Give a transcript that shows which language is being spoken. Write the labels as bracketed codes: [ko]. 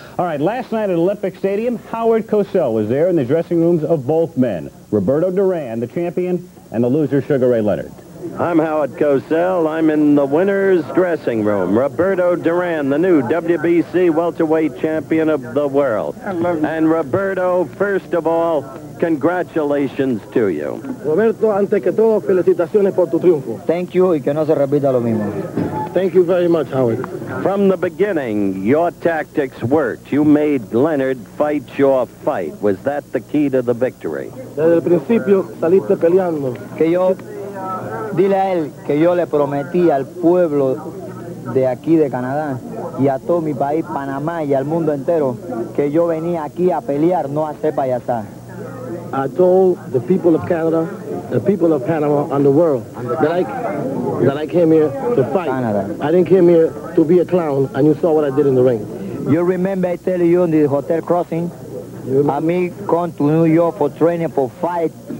[en] All right, last night at Olympic Stadium, Howard Cosell was there in the dressing rooms of both men, Roberto Duran, the champion, and the loser, Sugar Ray Leonard. I'm Howard Cosell. I'm in the winner's dressing room. Roberto Duran, the new WBC welterweight champion of the world. And Roberto, first of all, congratulations to you. [es] Roberto, ante que todo, felicitaciones por tu triunfo. [en] Thank you, [es] y que no se repita lo mismo. [en] Thank you very much, Howard. From the beginning, your tactics worked. You made Leonard fight your fight. Was that the key to the victory? [es] Desde el principio saliste peleando. Que yo... Dile a él que yo le prometí al pueblo de aquí de Canadá y a todo mi país, Panamá y al mundo entero, que yo venía aquí a pelear, no a hacer payasar. [en] I told the people of Canada, the people of Panama and the world that I came here to fight. Canada. I didn't come here to be a clown, and you saw what I did in the ring. You remember I tell you in the Hotel Crossing, a me come to New York for training for fight.